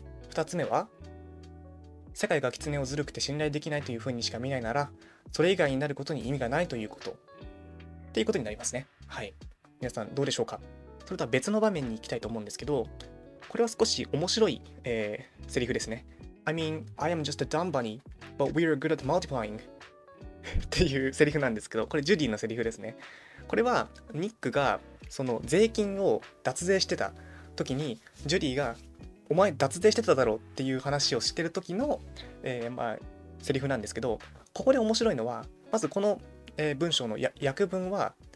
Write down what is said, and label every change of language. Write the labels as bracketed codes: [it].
[ja] 2つ目は世界が狐をずるくて信頼できないというふうにしか見ないなら、それ以外になることに意味がないということっていうことになりますね。はい、皆さんどうでしょうか。それとは別の場面に行きたいと思うんですけど、これは少し面白い、セリフですね。 [en] I mean, I am just a dumb bunny, but we are good at multiplying [ja] っていうセリフなんですけど、これジュディのセリフですね。これはニックがその税金を脱税してた時にジュディがお前脱税してただろうっていう話をしてる時の、まあ、セリフなんですけど、ここで面白いのはまずこの、文章の訳文は、